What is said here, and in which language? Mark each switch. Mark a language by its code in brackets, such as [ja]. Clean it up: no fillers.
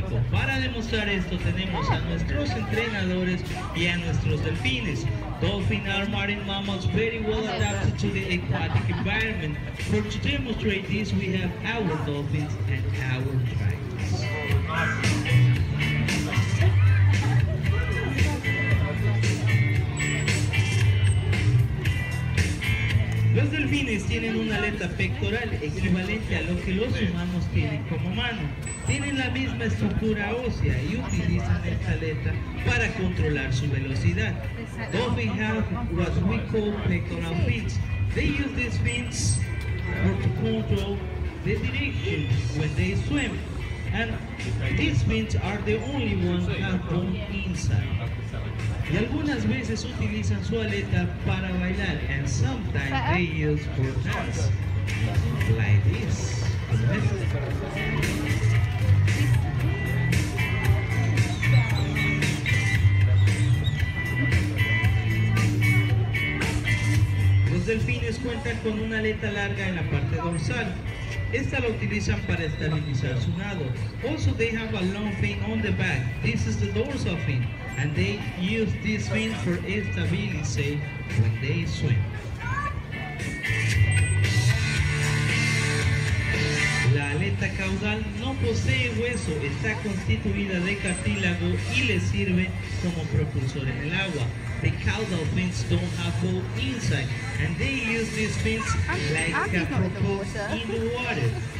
[es] Para demostrar esto tenemos a nuestros entrenadores y a nuestros delfines. [en] Dolphin are marine mammals very well adapted to the aquatic environment. For to demonstrate this we have our dolphins and our trikes. [es] Los delfines tienen una aleta pectoral equivalente a lo que los humanos tienen como mano. Tienen la misma estructura ósea y utilizan esta aleta para controlar su velocidad. [en] Dolphins have what we call pectoral fins. They use these fins for to control the direction when they swim. And these fins are the only ones that have bone inside. [es] Y algunas veces utilizan su aleta para bailar. [en] And sometimes they use for dance. Like this. [es] Los delfines cuentan con una aleta larga en la parte dorsal. Esta la utilizan para estabilizar su nado. [en] Also, they have a long fin on the back. This is the dorsal fin. And they use this fin for stability when they swim. [es] La aleta caudal no posee hueso. Está constituida de cartílago y le sirve como propulsor en el agua. [en] The caudal fins don't have bone inside, and they use these fins like a propulsor in the water.